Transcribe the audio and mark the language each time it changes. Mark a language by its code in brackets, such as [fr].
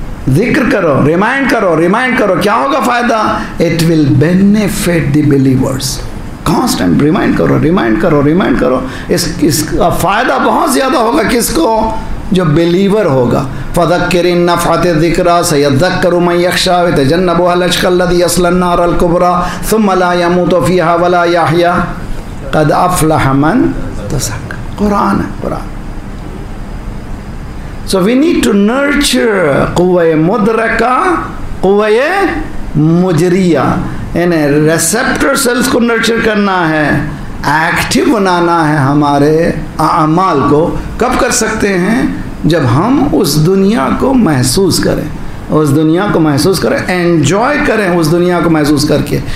[ur] ذکر کرو, ریمائنڈ کرو, ریمائنڈ کرو, کیا ہوگا فائدہ؟ [en] It will benefit the believers. [ur] Constant remind کرو, ریمائنڈ کرو, ریمائنڈ کرو. اس کا فائدہ بہت زیادہ ہوگا کس کو؟ جو بلیور ہوگا. [ar] فذکر ان نفعت الذکر سیذکر من یخشى ويتجنبها الاشقى الذي يصلى النار الكبرى ثم لا يموت فيها ولا يحيى قد افلح من تزكى. [ur] قرآن ہے, قرآن. [en] so we need to nurture [ur] قوے مدرکہ, قوے مجریہ, یعنی ریسیپٹر سیلس کو نرچر کرنا ہے, ایکٹیو بنانا ہے ہمارے اعمال کو. کب کر سکتے ہیں؟ جب ہم اس دنیا کو محسوس کریں, اس دنیا کو محسوس کریں, انجوائے کریں اس دنیا کو محسوس کر کے.